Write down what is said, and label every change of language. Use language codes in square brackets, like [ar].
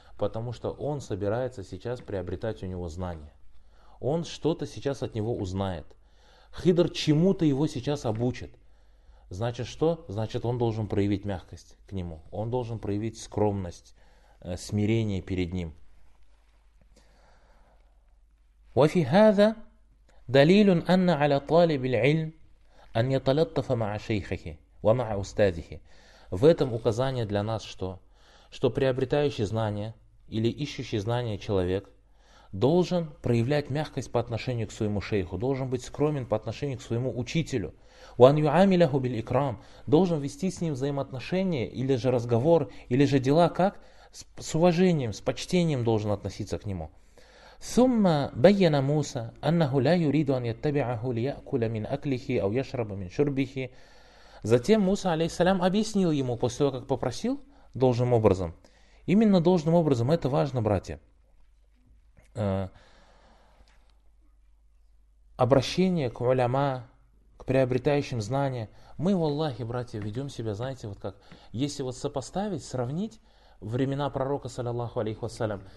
[ru] Потому что он собирается сейчас приобретать у него знания. Он что-то сейчас от него узнает. Хидр чему-то его сейчас обучит. Значит, что? Значит, он должен проявить мягкость к нему. Он должен проявить скромность, смирение перед ним. [ar] وفي هذا دليل أن على طالب العلم أن يتلطف مع شيخه ومع أستاذه. [ru] В этом указание для нас что? Что приобретающий знания или ищущий знания человек должен проявлять мягкость по отношению к своему шейху, должен быть скромен по отношению к своему учителю. [ar] وأن يعامله بالإكرام. [ru] Должен вести с ним взаимоотношения или же разговор, или же дела как? С уважением, с почтением должен относиться к нему. [ar] ثم بين موسى أنه لا يريد أن يتبعه ليأكل من أكله أو يشرب من شربه. [ru] Затем Муса алейхиссалям объяснил ему после того, как попросил должным образом. Именно должным образом, это важно, братья. Обращение к уляма, к приобретающим знания. Мы, валлахи, братья, ведем себя, знаете, вот как, если вот сопоставить, сравнить времена пророка, саллиллаху алейхи вассалям.